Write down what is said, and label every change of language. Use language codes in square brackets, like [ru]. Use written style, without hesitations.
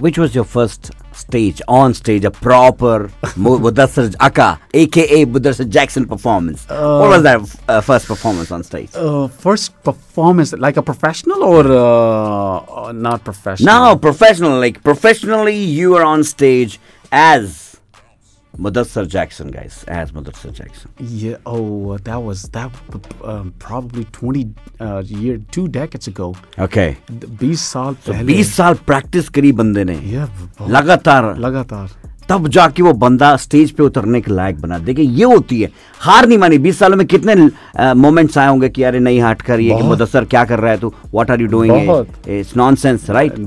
[en] Which was your first stage on stage a proper Mudassar aka AK Mudassar Jackson performance what was that first performance on stage first performance like a professional और not professional now professional like professionally you are on stage as Mudassar Jackson, guys, as Mudassar Jackson. Yeah, probably 2 decades ago. Okay. [hi] 20 साल पहले. 20 साल practice करी बंदे ने. [en] Yeah. [hi] लगातार. तब जाके वो बंदा स्टेज पे उतरने के लायक बना देखिए ये होती है हार नहीं मानी 20 सालों में कितने मोमेंट्स आए होंगे कि अरे नहीं हट कर ये मुदस्सर क्या कर रहा है तू [en] what are you doing it's nonsense right